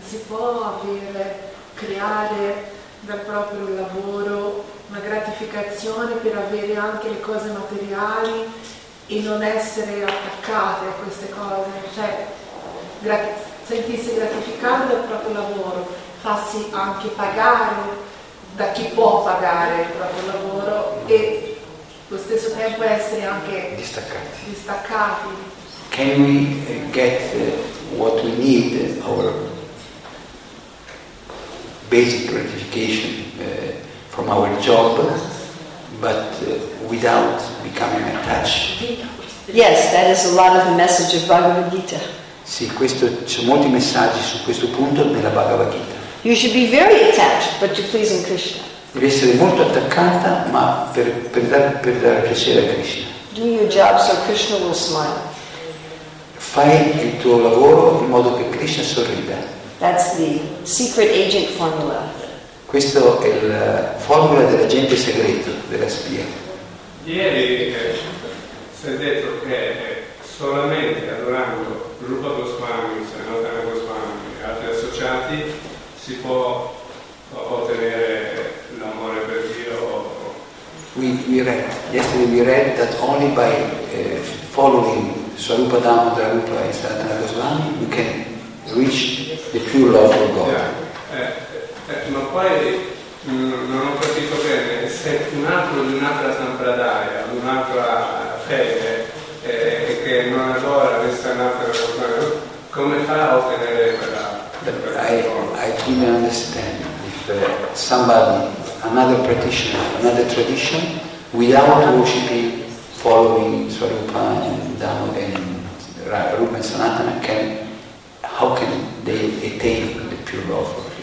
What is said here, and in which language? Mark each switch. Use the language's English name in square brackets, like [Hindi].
[Italian] Creare dal proprio lavoro una gratificazione per avere anche le cose materiali e non essere attaccate a queste cose, cioè sentirsi gratificato dal proprio lavoro, farsi anche pagare da chi può pagare il proprio lavoro e allo stesso tempo essere anche distaccati. [English] Can we get what we need our basic gratification from our job, but without becoming attached? Yes, that is a lot of the message of Bhagavad Gita. [Italian] Sì, questo c'è molti messaggi su questo punto nella Bhagavad Gita. [English] You should be very attached, but to please in Krishna. [Italian] Devi essere molto attaccata, ma per dare piacere a Krishna. [English] Do your job so Krishna will smile. [Italian] Fai il tuo lavoro in modo che Krishna sorrida. [English] That's the secret agent formula. [Italian] Questo è la formula dell'agente segreto, della spia. Ieri si è detto che solamente adorando Rupa Goswami, Sanatana Goswami e altri associati si può ottenere l'amore per Dio. [English] We read, yesterday we read that only by following Swarupa Damodara Rupa and Sanatana Goswami you can reach the pure love of God. [Italian] Ma poi non ho capito bene, se un altro di un'altra sampradaya, di un'altra fede, che non adora questa un'altra cosa, come fa a ottenere quella? [English] I didn't understand if somebody, another practitioner, another tradition, without worshiping, following Swarupa and Dhamma and Rupa and Sanatana, how can they attain the pure love?